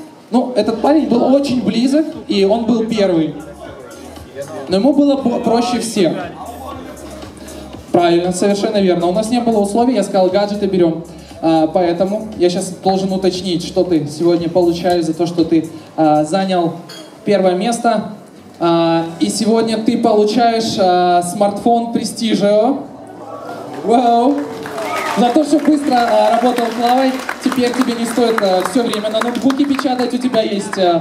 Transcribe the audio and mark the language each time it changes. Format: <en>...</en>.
<uk>Ну,</uk> <ru>этот</ru> <uk>парень був дуже близок, і він був перший. Но йому було проще всіх.</uk> <ru>Правильно, совершенно верно. У нас не было условий, я сказал, гаджеты берем. Поэтому я сейчас должен уточнить, что ты сегодня получаешь за то, что ты занял первое место. И сегодня ты получаешь смартфон Prestigio. Вау! За то, что быстро работал клавой, теперь тебе не стоит все время на ноутбуке печатать. У тебя есть...</ru>